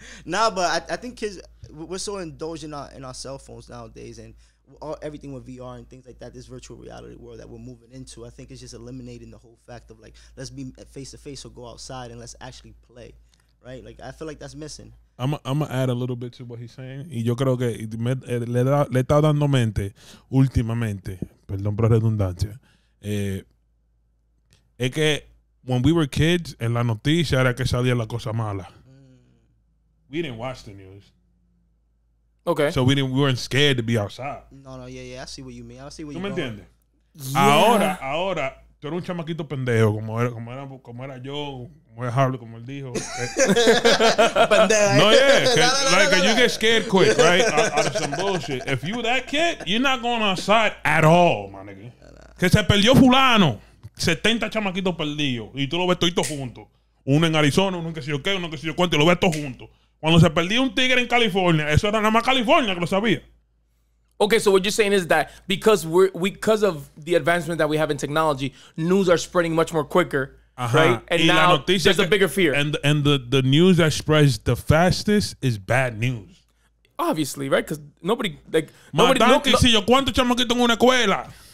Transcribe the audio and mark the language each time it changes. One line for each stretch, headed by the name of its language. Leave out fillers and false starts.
English: Nah, but I think kids, we're so indulged in our cell phones nowadays, and everything with VR and things like that, this virtual reality world that we're moving into, I think it's just eliminating the whole fact of, like, let's be face-to-face or go outside and let's actually play, right? Like, I feel like that's missing. I'm gonna add a little bit to what he's saying.
Spanish: Y yo creo que le está dando mente últimamente, perdón por la redundancia. Es que
English: when we were kids,
Spanish: en la noticia era que salía la cosa mala.
English: We didn't watch the news. Okay. So we weren't scared to be outside. No, yeah, I see what you mean. I see what you mean.
Spanish: ¿Tú me entiendes?
English: Yeah.
Spanish: Ahora, tú eres un chamaquito pendejo, como era yo. Voy a hablar como él dijo. Pendejo.
English: No, yeah. No, you get scared quick, right? out of some bullshit. If you that kid, you're not going outside at all, my nigga.
Spanish: Que se perdió fulano. 70 chamaquitos perdidos. Y tú lo ves todos juntos. Uno en Arizona, uno en que si yo qué, uno que si yo cuánto. Y lo ves todos juntos. Cuando se perdió un tigre en California, eso era nada más California que lo sabía.
English: Okay, so what you're saying is that because of the advancement that we have in technology, news are spreading much more quicker. Uh-huh. Right, and y now there's a bigger fear, and the news that spreads the fastest is bad news. Obviously, right? Because nobody
Spanish: si yo cuánto chamaquito en una escuela.